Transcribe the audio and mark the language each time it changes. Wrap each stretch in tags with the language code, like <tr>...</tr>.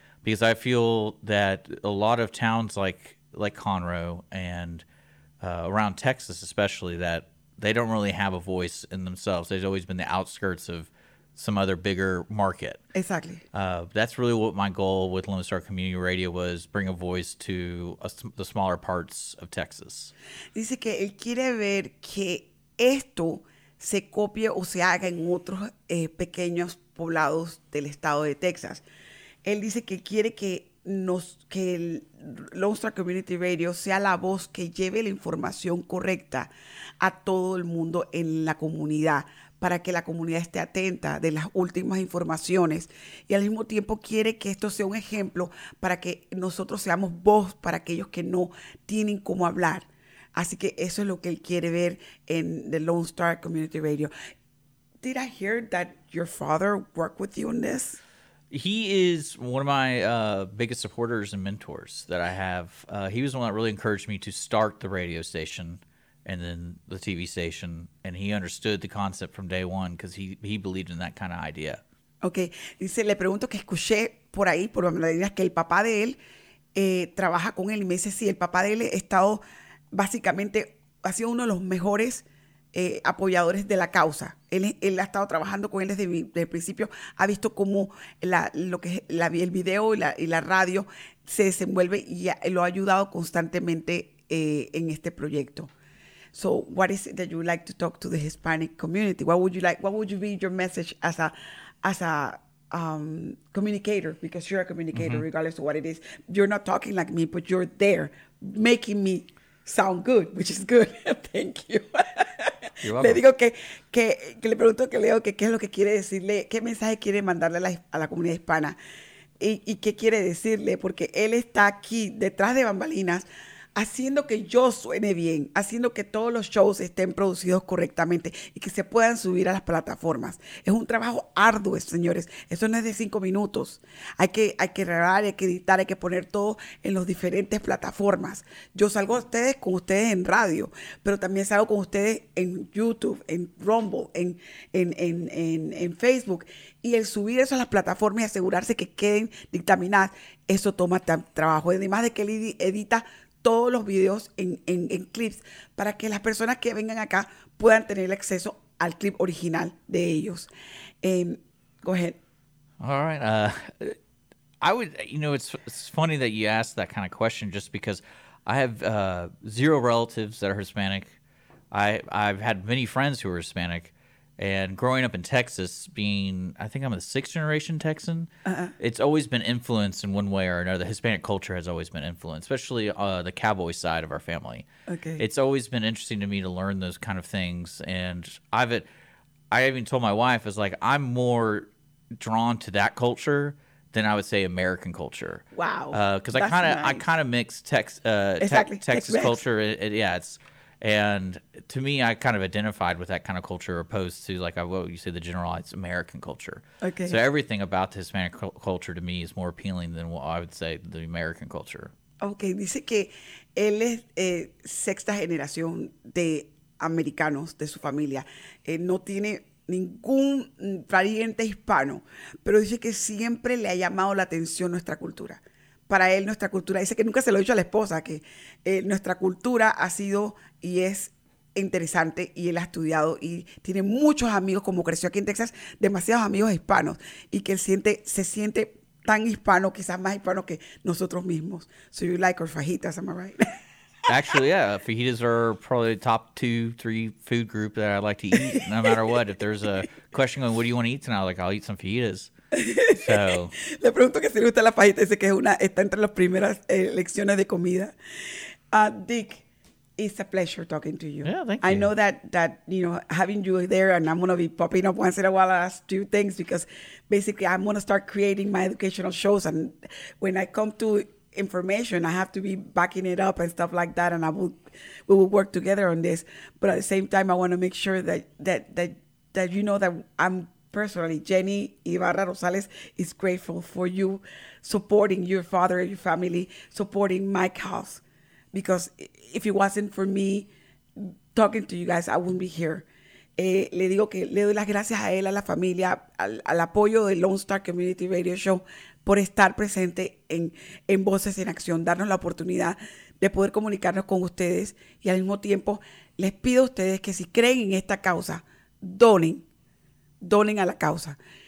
<en>Because I feel that a lot of towns like Conroe and around Texas especially, that they don't really have a voice in themselves. They've always been the outskirts of some other bigger market. Exactly. That's really what my goal with Lone Star Community Radio was, bring a voice to the smaller parts of Texas.</en> <es>Dice que él quiere ver que esto se copie o se haga en otros pequeños poblados del estado de Texas. Él dice que quiere que Lone Star Community Radio sea la voz que lleve la información correcta a todo el mundo en la comunidad, para que la comunidad esté atenta de las últimas informaciones. Y al mismo tiempo quiere que esto sea un ejemplo para que nosotros seamos voz para aquellos que no tienen cómo hablar. Así que eso es lo que él quiere ver en the Lone Star Community Radio.</es> <en>Did I hear that your father worked with you on this? He is one of my biggest supporters and mentors that I have. He was the one that really encouraged me to start the radio station and then the TV station. And he understood the concept from day one because he believed in that kind of idea. Okay.</en> <es>Dice, le pregunto que escuché por ahí, por la idea, que el papá de él trabaja con él. Y me dice, sí, el papá de él ha sido uno de los mejores apoyadores de la causa. Él ha estado trabajando con él desde el principio, ha visto cómo el video y la radio se desenvuelve y lo ha ayudado constantemente en este proyecto.</es> <en>So, what is it that you would like to talk to the Hispanic community? What would you be your message as a communicator? Because you're a communicator, mm-hmm. regardless of what it is. You're not talking like me, but you're there making me sound good, which is good. Thank you.</en> <es>Le digo que le pregunto que le digo que qué es lo que quiere decirle, qué mensaje quiere mandarle a la comunidad hispana y qué quiere decirle, porque él está aquí detrás de bambalinas haciendo que yo suene bien, haciendo que todos los shows estén producidos correctamente y que se puedan subir a las plataformas. Es un trabajo arduo, señores. Eso no es de 5 minutos. Hay que grabar, hay que editar, hay que poner todo en las diferentes plataformas. Yo salgo a ustedes con ustedes en radio, pero también salgo con ustedes en YouTube, en Rumble, en Facebook. Y el subir eso a las plataformas y asegurarse que queden dictaminadas, eso toma trabajo. Además de que él edita todos los videos en clips para que las personas que vengan acá puedan tener acceso al clip original de ellos.</es> <en>Go ahead. All right. I would, it's funny that you asked that kind of question just because I have zero relatives that are Hispanic. I've had many friends who are Hispanic. And growing up in Texas, I think I'm a 6th-generation Texan, it's always been influenced in one way or another. The Hispanic culture has always been influenced, especially the cowboy side of our family. Okay. It's always been interesting to me to learn those kind of things. And I even told my wife, I'm more drawn to that culture than I would say American culture. Wow. Because I kind of mix Texas culture. It's... And to me, I kind of identified with that kind of culture opposed to, the generalized American culture. Okay. So everything about the Hispanic culture to me is more appealing than what I would say the American culture. Okay.</en> <es>Dice que él es sexta generación de americanos, de su familia. No tiene ningún pariente hispano, pero dice que siempre le ha llamado la atención nuestra cultura. Para él, nuestra cultura, dice que nunca se lo ha dicho a la esposa, que nuestra cultura ha sido y es interesante, y él ha estudiado y tiene muchos amigos, como creció aquí en Texas, demasiados amigos hispanos, y que se siente tan hispano, quizás más hispano que nosotros mismos.</es> <en>So you like our fajitas, am I right? Actually, yeah, fajitas are probably the top 2-3 food group that I like to eat, no matter what. If there's a question going, what do you want to eat tonight? Like, I'll eat some fajitas. So,</en> <es>le pregunto que si le gusta la fajita, dice que es una, está entre las primeras lecciones de comida.</es> <en>Dick, it's a pleasure talking to you. Yeah, thank you. I know that you know, having you there, and I'm going to be popping up once in a while, ask two things, because basically I'm going to start creating my educational shows, and when I come to information, I have to be backing it up and stuff like that, and we will work together on this. But at the same time, I want to make sure that you know that I'm personally, Jenny Ibarra Rosales, is grateful for you supporting your father and your family, supporting my cause. Because if it wasn't for me talking to you guys, I wouldn't be here.</en> <es>Le digo que le doy las gracias a él, a la familia, al apoyo del Lone Star Community Radio Show, por estar presente en Voces en Acción, darnos la oportunidad de poder comunicarnos con ustedes. Y al mismo tiempo, les pido a ustedes que si creen en esta causa, donen a la causa.</es>